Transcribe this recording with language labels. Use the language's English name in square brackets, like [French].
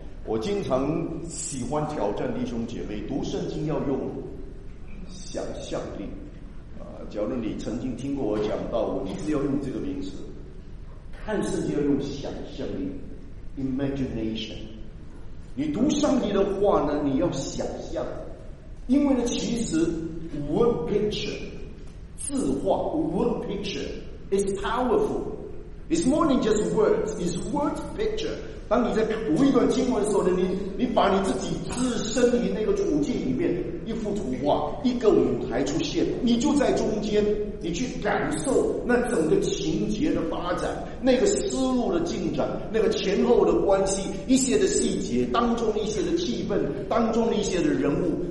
[Chinese] 我经常喜欢挑战弟兄姐妹，读圣经要用想象力。假如你曾经听过我讲到，我一直要用这个名词，看圣经要用想象力 imagination。你读上帝的话呢，你要想象，因为呢，其实 [English] word picture 字画 word picture [Chinese] is powerful, it's more than just words, it's word picture。当你在读一段经文的时候呢，你把你自己置身于那个处境里面，一幅图画，一个舞台出现，你就在中间，你去感受那整个情节的发展，那个思路的进展，那个前后的关系，一些的细节当中，一些的气氛当中，一些的人物。